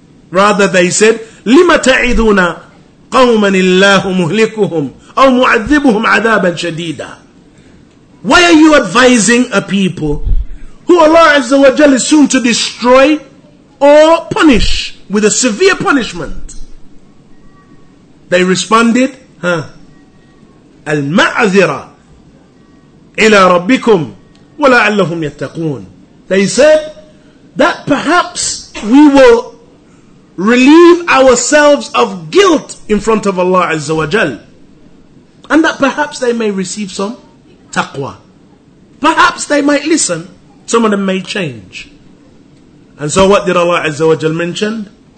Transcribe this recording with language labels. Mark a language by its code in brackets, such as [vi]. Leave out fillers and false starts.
[en] Rather, they said, [ar] لِمَ تَعِذُونَ قَوْمًا اللَّهُ مُهْلِكُهُمْ أَوْ مُعَذِّبُهُمْ عَذَابًا شَدِيدًا. [en] Why are you advising a people who Allah Azza wa Jal is soon to destroy or punish with a severe punishment? They responded, huh? [ar] المعذرة إلى ربكم ولعلهم يتقون. [en] They said that perhaps we will relieve ourselves of guilt in front of Allah Azza wa Jal, and that perhaps they may receive some taqwa. Perhaps they might listen. Some of them may change. And so what did Allah Azza wa Jal mention?